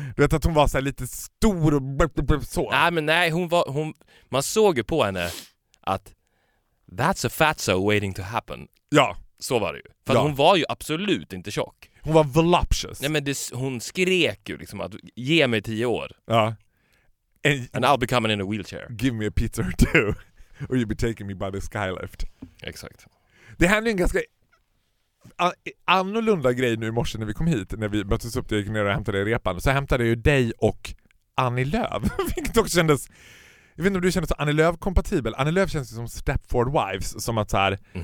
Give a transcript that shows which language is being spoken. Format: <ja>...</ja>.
<sv>Du vet att hon var så här lite stor och så. Nej, men nej, hon var, hon, man såg ju på henne att</sv> <en>that's a fatso waiting to happen.</en> <sv>Ja. Så var det ju. För hon var ju absolut inte tjock. Hon var voluptuous. Nej, men det, hon skrek ju liksom att ge mig 10 år. Ja.</sv> <en>And I'll be coming in a wheelchair. Give me a pizza or two. Or you'll be taking me by the skylift.</en> <sv>Exakt. Det hände en ganska annorlunda grej nu i morse när vi kom hit. När vi möttes upp och gick ner och hämtade repan. Så hämtade jag ju dig och Annie Lööf. Vilket också kändes... Jag vet inte om du kändes Annie Lööf-kompatibel. Annie Lööf känns ju som Stepford Wives. Som att så här...</sv>